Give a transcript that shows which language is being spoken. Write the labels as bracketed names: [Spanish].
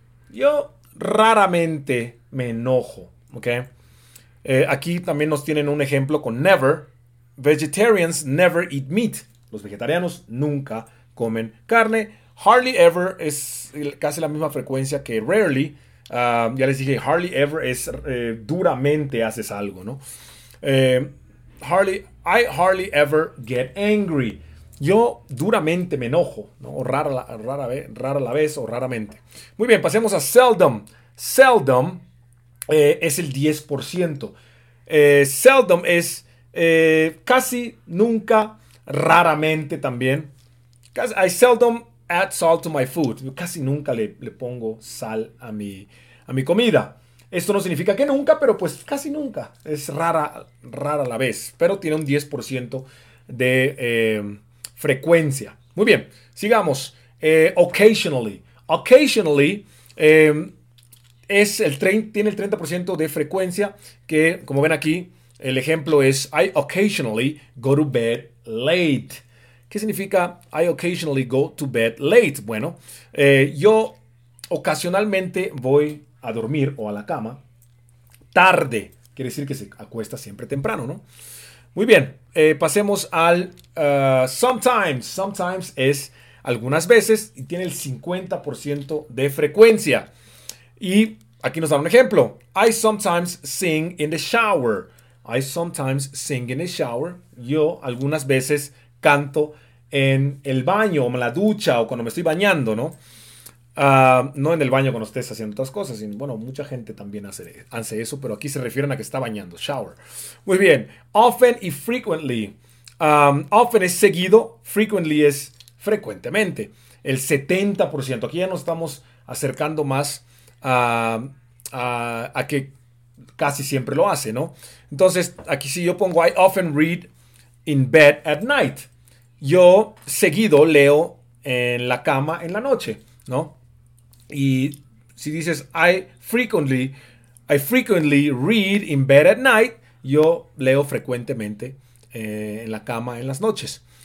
[Spanish] Yo raramente me enojo, ¿ok? Aquí también nos tienen un ejemplo con never. [English] Vegetarians never eat meat. [Spanish] Los vegetarianos nunca comen carne. Hardly ever es casi la misma frecuencia que rarely. Ya les dije, hardly ever es duramente haces algo, ¿no? [English] I hardly ever get angry. [Spanish] Yo duramente me enojo, ¿no? O rara la vez o raramente. Muy bien, pasemos a seldom. Seldom es el 10%. Seldom es casi nunca, raramente también. [English] I seldom add salt to my food. [Spanish] Yo casi nunca le pongo sal a mi comida. Esto no significa que nunca, pero pues casi nunca. Es rara la vez, pero tiene un 10% de frecuencia. Muy bien, sigamos. Occasionally. Occasionally tiene el 30% de frecuencia, que como ven aquí, el ejemplo es [English] I occasionally go to bed late. [Spanish] ¿Qué significa [English] I occasionally go to bed late? [Spanish] Bueno, yo ocasionalmente voy a dormir o a la cama tarde. Quiere decir que se acuesta siempre temprano, ¿no? Muy bien, pasemos al sometimes. Sometimes es algunas veces y tiene el 50% de frecuencia. Y aquí nos dan un ejemplo. [English] I sometimes sing in the shower. I sometimes sing in the shower. [Spanish] Yo algunas veces canto en el baño o en la ducha o cuando me estoy bañando, ¿no? No en el baño cuando estés haciendo otras cosas. Bueno, mucha gente también hace eso, pero aquí se refieren a que está bañando. Shower. Muy bien. Often y frequently. Often es seguido. Frequently es frecuentemente. El 70%. Aquí ya nos estamos acercando más a que casi siempre lo hace, ¿no? Entonces, aquí sí yo pongo [English] I often read in bed at night. [Spanish] Yo seguido leo en la cama en la noche, ¿no? Y si dices [English] I frequently read in bed at night, [Spanish] yo leo frecuentemente en la cama en las noches.